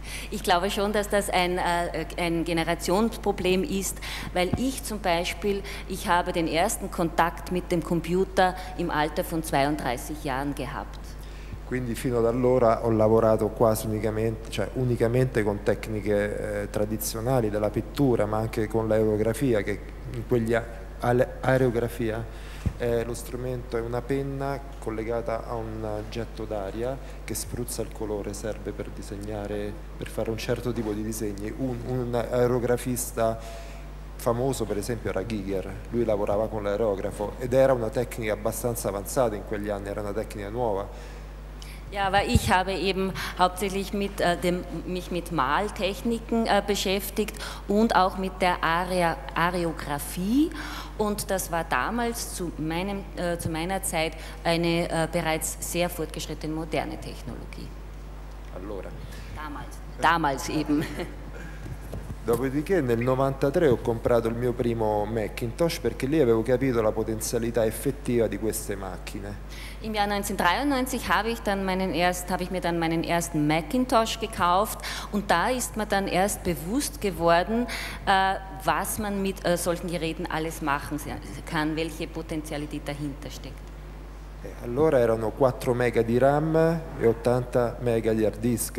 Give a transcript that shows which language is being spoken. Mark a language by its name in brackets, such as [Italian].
[German] Ich glaube schon, dass das ein Generationsproblem ist, weil ich zum Beispiel, ich habe den ersten Kontakt mit dem Computer im Alter von 32 Jahren gehabt. [Italian] Quindi fino ad allora ho lavorato quasi unicamente, cioè unicamente con tecniche tradizionali della pittura, ma anche con l'aerografia, che in quegli aerografia lo strumento è una penna collegata a un getto d'aria che spruzza il colore, serve per disegnare, per fare un certo tipo di disegni. Un aerografista famoso, per esempio, era Giger, lui lavorava con l'aerografo ed era una tecnica abbastanza avanzata in quegli anni, era una tecnica nuova. [German] Ja, aber ich habe eben hauptsächlich mich mit Maltechniken beschäftigt und auch mit der Aerografie. Und das war damals zu meiner Zeit eine bereits sehr fortgeschrittene moderne Technologie. [Italian] Allora. [German] Damals eben. [Italian] Dopodiché nel 93 ho comprato il mio primo Macintosh perché lì avevo capito la potenzialità effettiva di queste macchine. [German] Im Jahr 1993 habe ich mir dann meinen ersten Macintosh gekauft und da ist mir dann erst bewusst geworden, was man mit solchen Geräten alles machen kann, welche Potenzialität dahinter steckt. [Italian] Allora erano 4 Mega di RAM e 80 Mega di Hard Disk.